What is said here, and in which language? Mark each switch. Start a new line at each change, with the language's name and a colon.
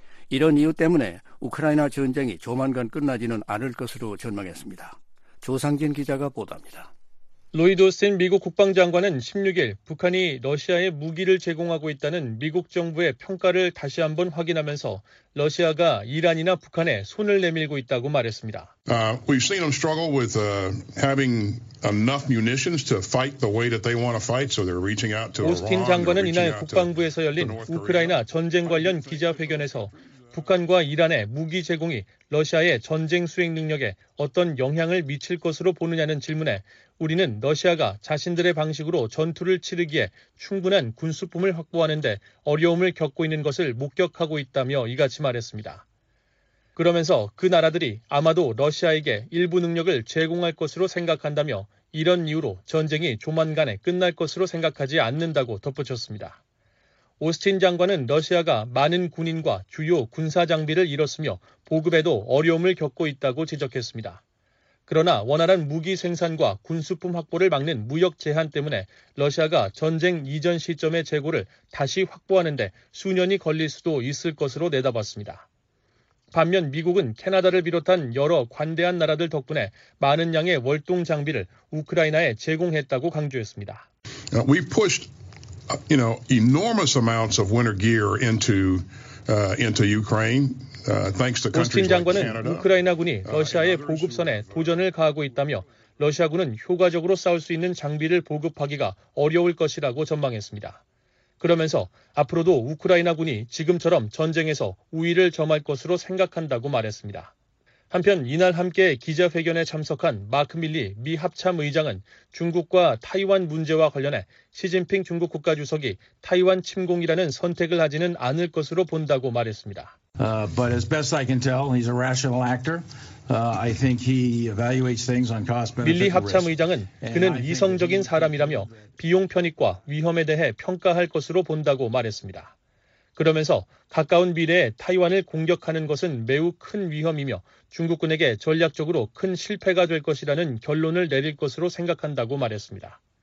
Korean: 이런 이유 때문에 우크라이나 전쟁이 조만간 끝나지는 않을 것으로 전망했습니다. 조상진 기자가 보도합니다. 로이드 오스틴 미국 국방장관은 16일 북한이 러시아에 무기를 제공하고 있다는 미국 정부의 평가를 다시 한번 확인하면서 러시아가 이란이나 북한에 손을 내밀고 있다고 말했습니다.
English: We've seen them struggle with having enough munitions to fight the way that they want to fight, so they're reaching out to Iran.
Korean: 오스틴 장관은 이날 국방부에서 열린 우크라이나 전쟁 관련 기자회견에서 북한과 이란의 무기 제공이 러시아의 전쟁 수행 능력에 어떤 영향을 미칠 것으로 보느냐는 질문에 우리는 러시아가 자신들의 방식으로 전투를 치르기에 충분한 군수품을 확보하는데 어려움을 겪고 있는 것을 목격하고 있다며 이같이 말했습니다. 그러면서 그 나라들이 아마도 러시아에게 일부 능력을 제공할 것으로 생각한다며 이런 이유로 전쟁이 조만간에 끝날 것으로 생각하지 않는다고 덧붙였습니다. 오스틴 장관은 러시아가 많은 군인과 주요 군사 장비를 잃었으며 보급에도 어려움을 겪고 있다고 지적했습니다. 그러나 원활한 무기 생산과 군수품 확보를 막는 무역 제한 때문에 러시아가 전쟁 이전 시점의 재고를 다시 확보하는 데 수년이 걸릴 수도 있을 것으로 내다봤습니다. 반면 미국은 캐나다를 비롯한 여러 관대한 나라들 덕분에 많은 양의 월동 장비를 우크라이나에 제공했다고 강조했습니다.
English: We pushed, you know, enormous amounts of winter gear into Ukraine.
Korean: 오스틴 장관은 우크라이나군이 러시아의 보급선에 도전을 가하고 있다며 러시아군은 효과적으로 싸울 수 있는 장비를 보급하기가 어려울 것이라고 전망했습니다. 그러면서 앞으로도 우크라이나군이 지금처럼 전쟁에서 우위를 점할 것으로 생각한다고 말했습니다. 한편 이날 함께 기자회견에 참석한 마크 밀리 미 합참의장은 중국과 타이완 문제와 관련해 시진핑 중국 국가주석이 타이완 침공이라는 선택을 하지는 않을 것으로 본다고 말했습니다.
English: But as best I can tell, he's a rational actor. I think he evaluates things on cost benefit.
Korean: 밀리 합참의장은 그는 이성적인 사람이라며 비용 편익과 위험에 대해 평가할 것으로 본다고 말했습니다. 그러면서 가까운 미래에 타이완을 공격하는 것은 매우 큰 위험이며 중국군에게 전략적으로 큰 실패가 될 것이라는 결론을 내릴 것으로 생각한다고 말했습니다.